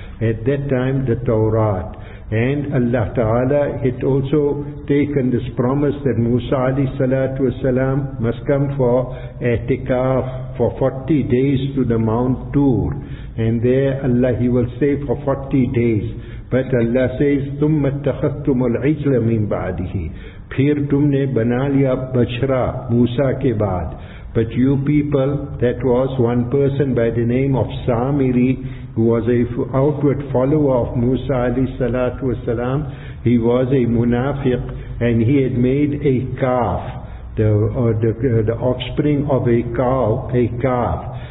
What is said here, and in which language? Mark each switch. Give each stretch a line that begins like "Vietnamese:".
English: At that time the Torah. And Allah Ta'ala had also taken this promise that Musa alayhi salatu wasalam must come for i'tikaf for 40 days to the Mount Tur. And there Allah, he will stay for 40 days. But Allah says,
Arabic: ثُمَّ اتَّخَذْتُمُ الْعِجْلَ مِنْ بَعْدِهِ,
Urdu: پھر تم نے بنا لیا بچرا موسیٰ کے بعد.
English: But you people, that was one person by the name of Samiri, who was a outward follower of Musa alayhi salatu wasalam. He was a munafiq, and he had made a calf, the offspring of a cow, a calf.